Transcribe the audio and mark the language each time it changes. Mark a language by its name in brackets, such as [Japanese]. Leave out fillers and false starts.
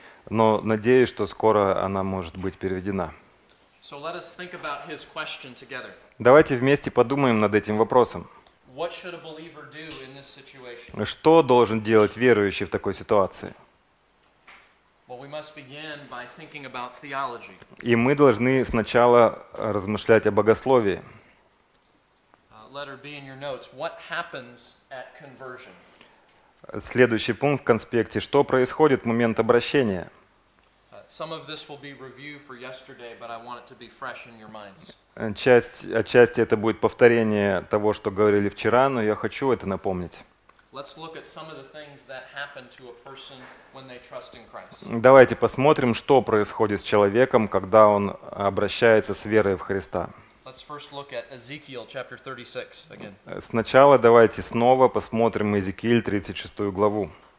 [Russian] Но надеюсь, что скоро она может быть переведена. [English] So let us think about his question together. [Russian] Давайте вместе подумаем над этим вопросом. [English] What should a believer do in this situation? [Russian] Что должен делать верующий в такой ситуации? [English] Well, we must begin by thinking about theology. [Russian] И мы должны сначала размышлять о богословии. [English] Letter B in your notes. What happens at conversion? [Russian] Следующий пункт в конспекте. Что происходит в момент обращения? [English] Some of this will be review for yesterday, but I want it to be fresh in your minds. [Russian] Отчасти это будет повторение того, что говорили вчера, но я хочу это напомнить. [English] Let's look at some of the things that happen to a person when they trust in Christ. [Russian] Давайте посмотрим, что происходит с человеком, когда он обращается с верой в Христа. [English] Let's first look at Ezekiel chapter 36 again. [Russian] Сначала давайте снова посмотрим Иезекииль 36 главу.